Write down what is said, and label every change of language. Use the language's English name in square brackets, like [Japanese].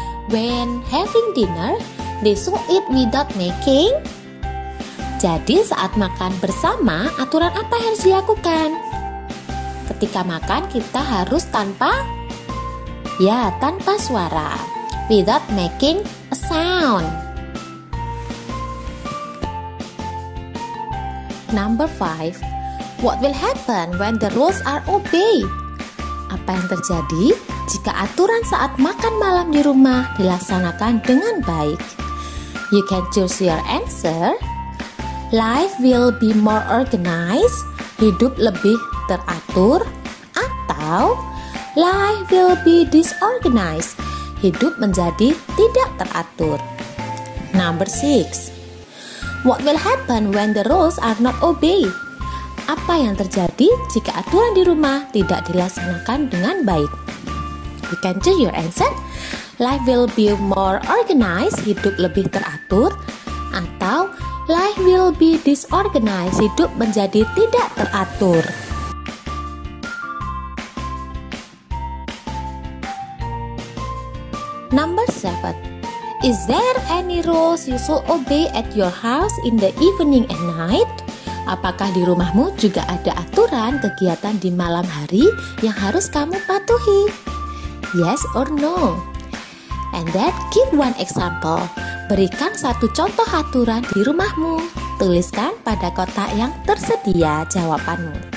[English] When having dinner, they should eat without making. [Indonesian] Jadi saat makan bersama, aturan apa yang harus dilakukan? Ketika makan kita harus tanpa, ya, tanpa suara, [English] without making a sound. Number 5. What will happen when the rules are obeyed? [Indonesian] Apa yang terjadi jika aturan saat makan malam di rumah dilaksanakan dengan baik? [English] You can choose your answer. Life will be more organized, [Indonesian] hidup lebih teratur, atau [English] life will be disorganized, [Indonesian] hidup menjadi tidak teratur. [English] Number 6. What will happen when the rules are not obeyed? [Indonesian] Apa yang terjadi jika aturan di rumah tidak dilaksanakan dengan baik? [English] You can choose your answer. Life will be more organized, [Indonesian] hidup lebih teratur, atau [English] life will be disorganized, [Indonesian] hidup menjadi tidak teratur. [English] Number 7. Is there any rules you should obey at your house in the evening and night? [Indonesian] Apakah di rumahmu juga ada aturan kegiatan di malam hari yang harus kamu patuhi? [English] Yes or no? And that give one example. [Indonesian] Berikan satu contoh aturan di rumahmu. Tuliskan pada kotak yang tersedia jawabanmu.